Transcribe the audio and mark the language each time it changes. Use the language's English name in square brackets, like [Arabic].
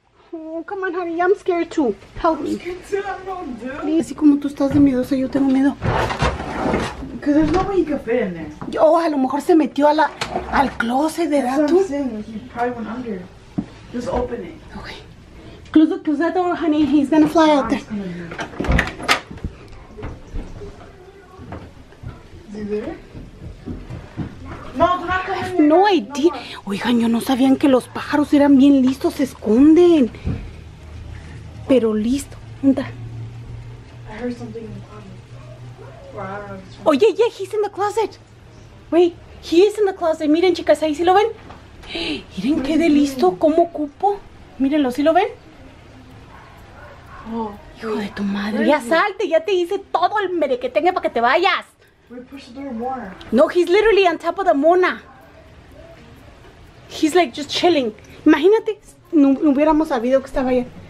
[English] Oh, come on, honey, I'm scared too. Help me. I'm scared too, I'm not dead. [Spanish] Así como tú estás de miedo, yo tengo miedo. [English] Because there's no way he could fit in there. [Spanish] Oh, a lo mejor se metió a la, al closet, ¿verdad? [English] That's what I'm saying, he probably went under. Just open it. Okay. Close that door, honey, he's gonna fly out there. Is he there? [Spanish] No, hay idea. Oigan, yo no sabían que los pájaros eran bien listos, se esconden. Pero listo, anda. [English] Oye, yeah, he's in the closet. Wait, he is in the closet. [Spanish] Miren, chicas, ahí sí lo ven. Miren qué de listo, cómo ocupo. Mírenlo, ¿sí lo ven? Hijo de tu madre, ya salte, ya te hice todo el mere que tenga para que te vayas. [English] No, he's literally on top of the mona. He's like just chilling. [Spanish] Imagínate, no hubiéramos sabido que estaba ahí.